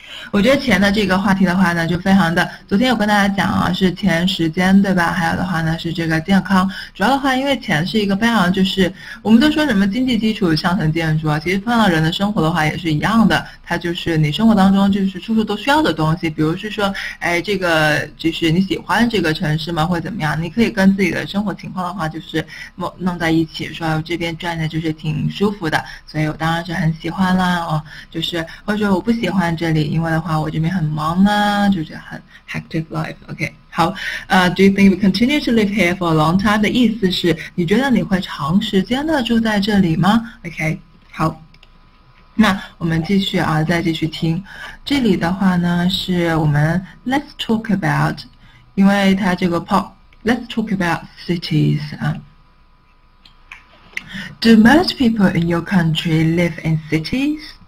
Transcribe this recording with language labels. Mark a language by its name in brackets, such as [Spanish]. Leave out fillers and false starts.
[Chinese] 我觉得钱的这个话题的话呢就非常的，昨天有跟大家讲啊，是钱时间对吧，还有的话呢是这个健康，主要的话因为钱是一个非常，就是我们都说什么经济基础上层建筑啊，其实碰到人的生活的话也是一样的，它就是你生活当中就是处处都需要的东西，比如是说哎，这个就是你喜欢这个城市吗或怎么样，你可以跟自己的生活情况的话就是弄在一起，说这边转的就是挺舒服的，所以我当然是很喜欢啦、哦、就是或者说我不喜欢这里，因为的话我这边很忙啊，就是很 [English] active life。 OK， 好、Do you think you continue to live here for a long time？ [Chinese] 的意思是你觉得你会长时间的住在这里吗？ OK， 好，那我们继续啊，再继续听这里的话呢是我们 [English] Let's talk about， [Chinese] 因为它这个 pop [English] Let's talk about cities、Do most people in your country live in cities？